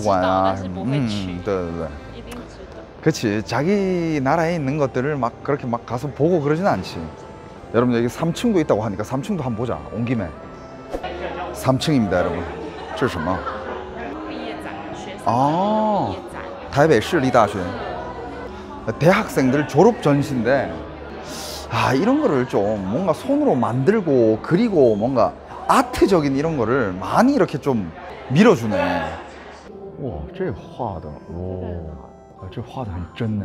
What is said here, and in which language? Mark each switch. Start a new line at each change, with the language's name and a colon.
Chinese: 哇，这做的不错，这哪儿送的这个？第二，最高西加都纳，哦，菲律宾。哦，有菲律宾的是蛮能够一个，哦，他们做的华丽，嗯。台湾人我也没逛过这博物馆，我也是第一次逛。也有个秋嘛，不对。啊，对，都差不多了。韩国人也没逛过好多韩国的那些什么博物馆啊，嗯，对对对。
Korean: 그치, 자기 나라에 있는 것들을 막 그렇게 막 가서 보고 그러진 않지. 여러분, 여기 3층도 있다고 하니까 3층도 한번 보자, 온 김에. 3층입니다, 여러분.
Chinese: 这是什么? 毕业展，学生。哦，台北市立大学。
Korean: 대학생들 졸업 전시인데, 아, 이런 거를 좀 뭔가 손으로 만들고 그리고 뭔가 아트적인 이런 거를 많이 이렇게 좀 밀어주네. 와, 저 화도. 오. 아, 저 화도 있었네.